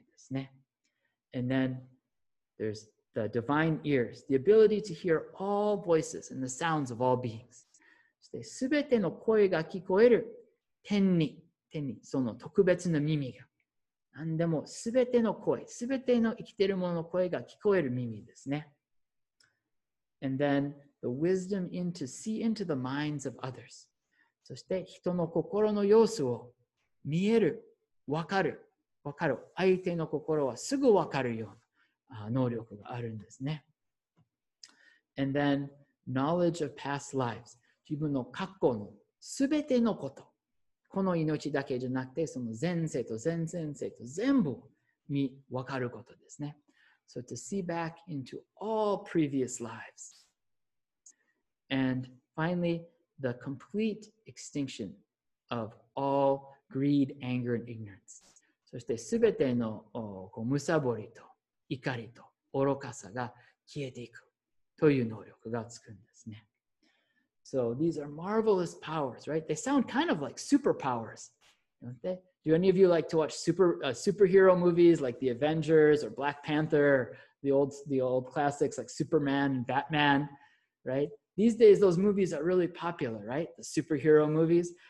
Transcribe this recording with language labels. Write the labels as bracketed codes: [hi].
[en] ね、 And then there's the divine ears, the ability to hear all voices and the sounds of all beings. [ja] そして全ての声が聞こえる天に、天にその特別な耳が。何でも全ての声、全ての生きているものの声が聞こえる耳ですね。 [en] And then the wisdom in to see into the minds of others. [ja] そして人の心の様子を見える、わかる。分かる。相手の心はすぐ分かるような能力があるんですね。 [en] And then, knowledge of past lives. [ja] 自分の過去のすべてのこと。この命だけじゃなくて、その前世と前前世と全部見分かることですね。 [en] So to see back into all previous lives. And finally, the complete extinction of all greed, anger, and ignorance. [ja] そしてすべてのこうむさぼりと怒りと愚かさが消えていくという能力がつくんですね。 [en] So these are marvelous powers, right? They sound kind of like superpowers, don't they? Do any of you like to watch superhero movies like The Avengers or Black Panther, the old classics like Superman and Batman, right? These days those movies are really popular, right? The superhero movies.